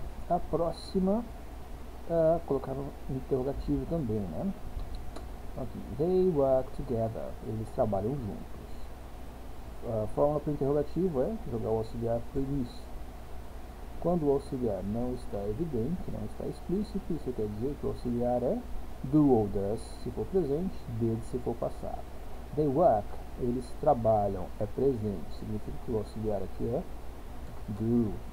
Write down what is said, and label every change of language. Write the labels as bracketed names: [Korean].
[Portuguese] A próxima colocaram interrogativo também, né? [English] Aqui, okay. They work together. [Portuguese] Eles trabalham juntos. A fórmula para interrogativo é jogar o auxiliar para o início. Quando o auxiliar não está evidente, não está explícito, isso quer dizer que o auxiliar é do ou das, se for presente, did, se for passado. [English] They work, [Portuguese] eles trabalham, é presente. Significa que o auxiliar aqui é do.